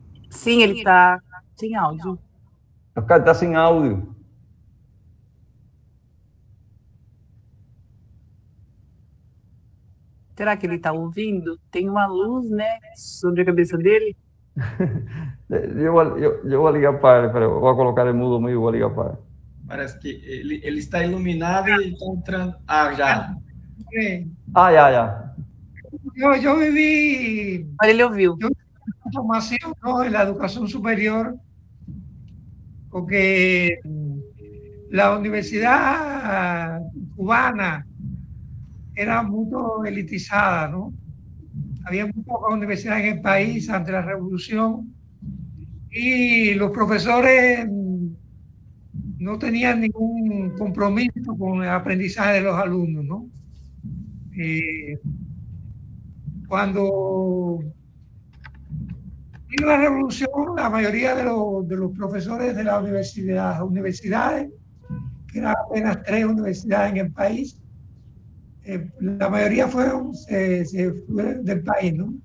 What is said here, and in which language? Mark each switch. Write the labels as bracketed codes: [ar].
[es] Sí, él está sin audio. Oscar está sin audio. ¿Será que él está ouvindo? [pt] Tem una luz, né, sobre a cabeça dele. Eu vou ligar para ele, vou colocar ele mudo mesmo, vou ligar para ele. Parece que ele está iluminado e está entrando. Ah, já. Ah, já, já. Eu vivi. Olha, ele ouviu. Eu formei em educação superior, porque a universidade cubana era muito elitizada, não? [es] Había muy pocas universidades en el país ante la revolución, y los profesores no tenían ningún compromiso con el aprendizaje de los alumnos, ¿no? Cuando vino la revolución, la mayoría de los profesores de las universidades, que eran apenas 3 universidades en el país, la mayoría fueron del país, ¿no?